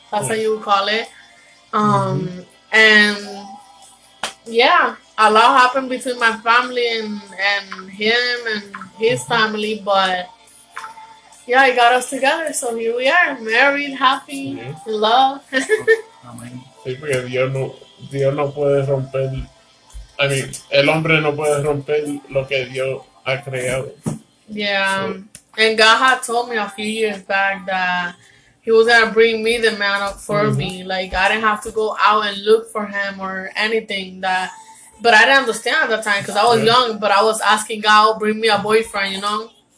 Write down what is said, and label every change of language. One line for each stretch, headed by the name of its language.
English: That's how you would call it. And, yeah, a lot happened between my family and him and his family, but, yeah, he got us together, so here we are, married, happy, in love.
Spanish: Sí, porque Dios no puede romper,
English: I mean,
Spanish: el hombre no puede romper lo que Dios ha creado.
English: Yeah, so. And God had told me a few years back that He was going to bring me the man up for me. Like, I didn't have to go out and look for him or anything. But I didn't understand at the time because I was young. But I was asking God, bring me a boyfriend, you know?